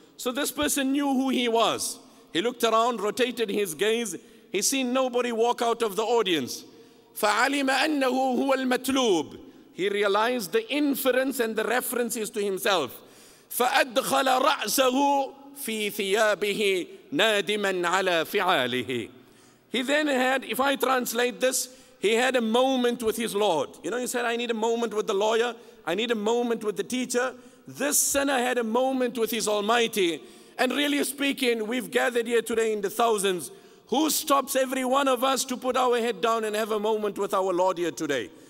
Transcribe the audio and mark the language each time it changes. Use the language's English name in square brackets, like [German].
[English] So this person knew who he was. He looked around, rotated his gaze. He seen nobody walk out of the audience. [Arabic] فَعَلِمَ أَنَّهُ هُوَ الْمَتْلُوبِ. [English] He realized the inference and the references to himself. [Arabic] فَأَدْخَلَ رَأْسَهُ في ثيابه نادما على فعاله. [English] He then had, if I translate this, he had a moment with his Lord. You know, he said, I need a moment with the lawyer. I need a moment with the teacher. This sinner had a moment with his Almighty. And really speaking, we've gathered here today in the thousands. Who stops every one of us to put our head down and have a moment with our Lord here today?